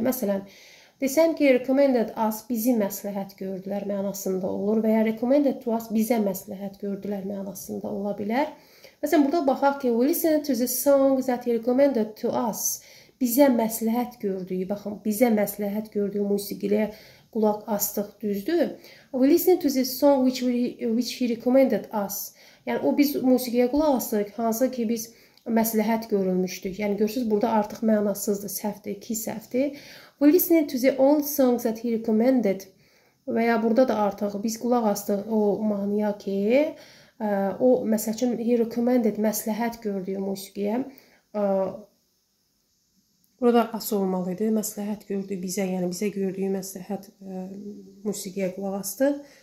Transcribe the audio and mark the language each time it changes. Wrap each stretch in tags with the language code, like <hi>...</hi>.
<az>Məsələn, desəm ki, recommended us bizi məsləhət gördülər mənasında olur və ya</az> <en>recommended to us</en> <az>bizə məsləhət gördülər mənasında ola bilər. Məsələn, burada baxaq ki,</az> <en>we listen to the song that he recommended to us.</en> <az>Bizə məsləhət gördüyü, baxın, bizə məsləhət gördüyü musiqiyə qulaq astıq, düzdür.</az> <en>We listen to the song which he recommended us.</en> <az>Yəni, o biz musiqiyə qulaq astıq, hansı ki biz məsləhət görülmüşdük. Yəni, görürsünüz, burada artıq mənasızdır, səhvdir, ki səhvdir.</az> <en>We listen to the only songs that he recommended.</en> <az>Və ya burada da artıq biz qulaq astıq o mahnıya ki, o, məsəl üçün,</az> <en>he recommended,</en> <az>məsləhət gördüyü musiqiyə. Burada as olmalıydı, məsləhət gördü bizə, yəni bizə gördüyü məsləhət musiqiyə qulaq astı.</az>